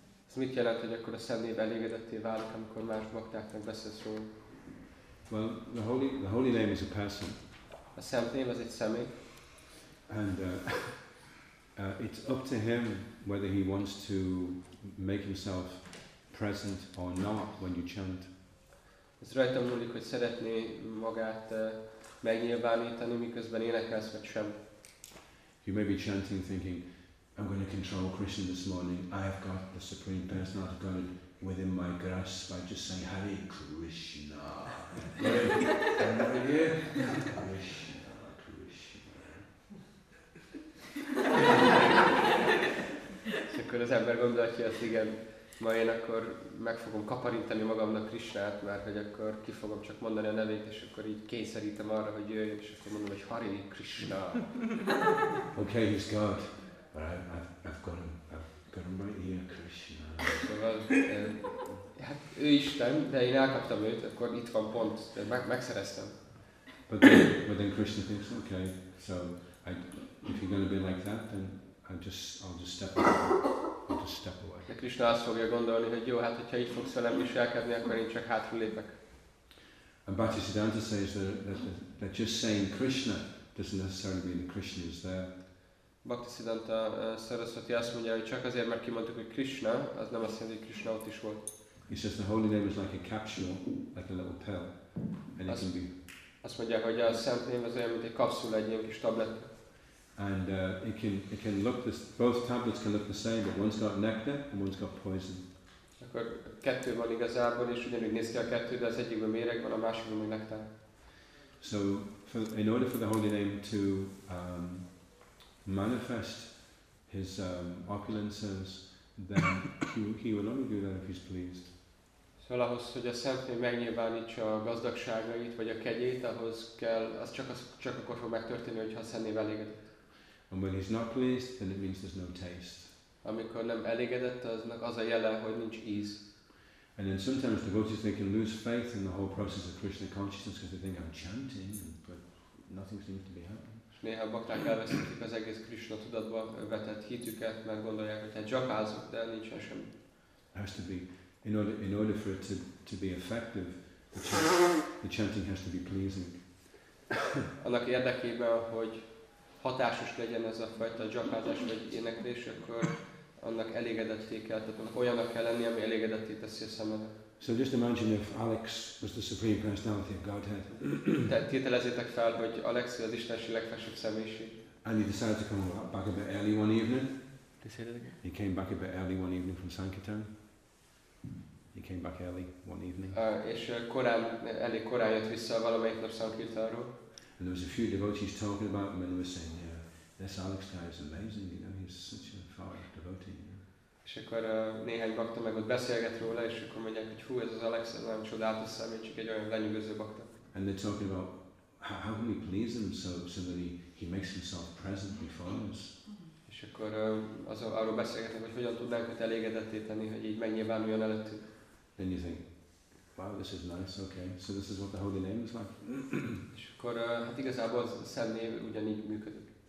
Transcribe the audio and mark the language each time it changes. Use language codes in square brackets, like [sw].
[hu] Ez mit jelent, hogy akkor a szemnév elégedetté válik, amikor más baktáknak beszélsz róla? [en] Well, the holy name is a person. [hu] A szent név az egy személy. [en] And it's up to him whether he wants to make himself present or not when you chant. [hu] Ez rajta múlik, hogy szeretné magát megnyilvánítani, miközben énekelsz, vagy sem. [en] You may be chanting thinking, I'm going to control Krishna this morning. I have got the Supreme Personality of Godhead within my grasp. I just say Hare Krishna. [hu] És akkor az ember gondolatja, hogy igen, ma én akkor meg fogom kaparintani magamnak Krisnát, mert hogy akkor ki fogom csak mondani a nevét, és akkor így kényszerítem arra, hogy jöjjön, és akkor mondom, hogy Hare Krishna. [en] Okay, he's God. But I've got him right here, Krishna. [hu] Szóval, hát ő Isten, de én elkaptam őt, akkor itt van pont, megszereztem. [en] But then Krishna thinks, okay, so if you're going to be like that, then I'll just step away. [hu] De Krishna azt fogja gondolni, hogy jó, hát hogyha így fogsz velem viselkedni, akkor én csak hátra lépek. [en] And Bhaktisiddhanta says that just saying Krishna doesn't necessarily mean that Krishna is there. [hu] Bhaktisiddhanta Saraswati azt mondja, hogy csak azért, mert kimondtuk, hogy Krishna, az nem azt jelenti, hogy Krishna ott is volt. [en] He says the holy name is like a capsule, like a little pill, and it can be. [hu] Azt mondja, hogy a szent név az olyan, mint egy kapszula, egy ilyen kis tablet. [en] And it can look this. Both tablets can look the same, but one's got nectar and one's got poison. [hu] Akkor kettő van igazából, és ugyanúgy néz ki a kettő, de az egyikben méreg van, a másikban még nektár. [en] So, in order for the holy name to manifest his opulences, then he will only do that if he's pleased. [hu] Szóval ahhoz, hogy a szentnél megnyilvánítsa a gazdagságait vagy a kegyét, ahhoz kell, az csak akkor fog megtörténni, hogyha a szentnél elégedett. [en] And when he's not pleased, then it means there's no taste. [hu] Amikor nem elégedett, aznak az a jele, hogy nincs íz. [en] And then sometimes devotees, they can lose faith in the whole process of Krishna consciousness because they think I'm chanting, but nothing seems to be happening. [hu] Néha bakták elveszítik az egész Krishna tudatba vetett hitüket, mert gondolják, hogy hát japázok, de nincsen semmi. [en] Has to be in order for it to be effective, the chanting has to be pleasing. [hu] Annak érdekében, hogy hatásos legyen ez a fajta japázás vagy éneklés, akkor annak elégedetté kell, tehát olyannak kell lenni, ami elégedetté teszi a szemedet. [en] So just imagine if Alex was the Supreme Personality of Godhead. [hu] Tételezzétek fel, hogy Alex az Istenség legfelsőbb személyiség. [en] And he decided to come back a bit early one evening. Did you say that again? He came back a bit early one evening from Sankirtan. He came back early one evening. [hu] Elég korán jött vissza valamelyik nap Sankirtanról. [en] And there was a few devotees talking about him, and they were saying, yeah, this Alex guy is amazing, you know, he's such a far devotee. [hu] És akkor néhány bakta meg ott beszélget róla, és akkor mondják, hogy hú, ez az Alex, ez nem csodálatos személy, csak egy olyan lenyűgöző bakta. [en] And they're talking about how can we please him so that he makes himself present before us. [hu] És akkor arról beszélgetnek, hogy hogyan tudnánk őt elégedetté tenni, hogy így megnyilvánuljon előttük. [en] Then you think, wow, this is nice, okay, so this is what the holy name is like. [hu] És akkor hát igazából a szent név ugyanígy működik.